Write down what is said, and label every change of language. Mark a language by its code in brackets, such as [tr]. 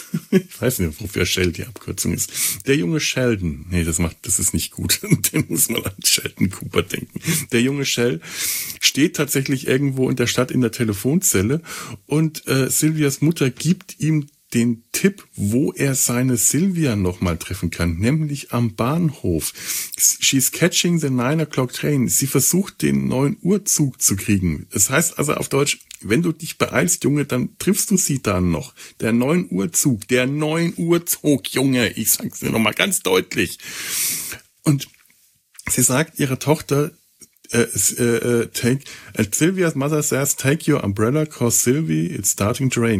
[de] Ich weiß nicht, wofür Shell die Abkürzung ist. Der junge Sheldon, nee, das ist nicht gut. Den muss man an Sheldon Cooper denken. Der junge Shell steht tatsächlich irgendwo in der Stadt in der Telefonzelle und Silvias Mutter gibt ihm den Tipp, wo er seine Sylvia nochmal treffen kann, nämlich am Bahnhof. [en] She's catching the 9 o'clock train. [de] Sie versucht, den 9 Uhr Zug zu kriegen. Das heißt also auf Deutsch, wenn du dich beeilst, Junge, dann triffst du sie dann noch. Der 9 Uhr Zug, der 9 Uhr Zug, Junge. Ich sag's dir nochmal ganz deutlich. Und sie sagt ihrer Tochter, [en] Sylvia's mother says, take your umbrella, cause Sylvie, it's starting to rain.